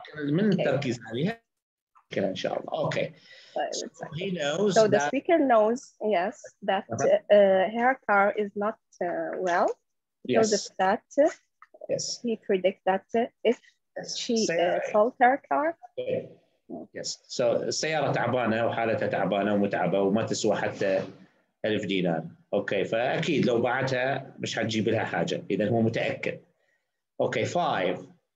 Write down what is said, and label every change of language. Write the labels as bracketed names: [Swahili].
[Arabic] من التركيز عليها كده إن شاء الله okay [English] he knows so the speaker knows yes that her car is not well because of that yes he predicts that if she sold her car Yes. [Arabic] So, السيارة تعبانة وحالتها تعبانة ومتعبة وما تسوى حتى 1000 دينار. Okay. فأكيد لو باعتها مش هتجيب لها حاجة. إذا هو متأكد. Okay. Five.